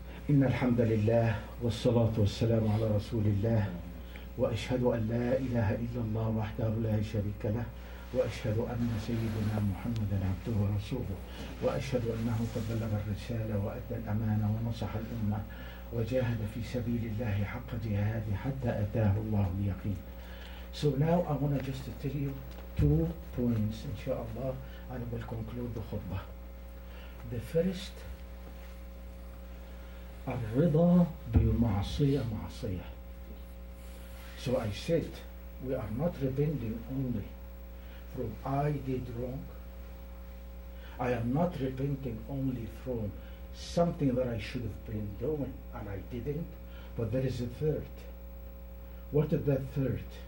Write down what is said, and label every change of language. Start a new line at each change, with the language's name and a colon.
Arabic: إن الحمد لله والصلاة والسلام على رسول الله وأشهد أن لا إله إلا الله وحده لا شريك له وأشهد أن سيدنا محمد عبده ورسوله، وأشهد أنه تبلغ الرسالة وأدى الأمانة ونصح الأمة وجاهد في سبيل الله حق جهاده حتى أتاه الله اليقين.
English: So now I want to just tell you two points. Inshallah, I will conclude the khutbah. The first,
Arabic: الرضا بالمعصية معصية.
English: So I said, we are not repenting only from I did wrong. I am not repenting only from something that I should have been doing and I didn't. But there is a third. What is that third?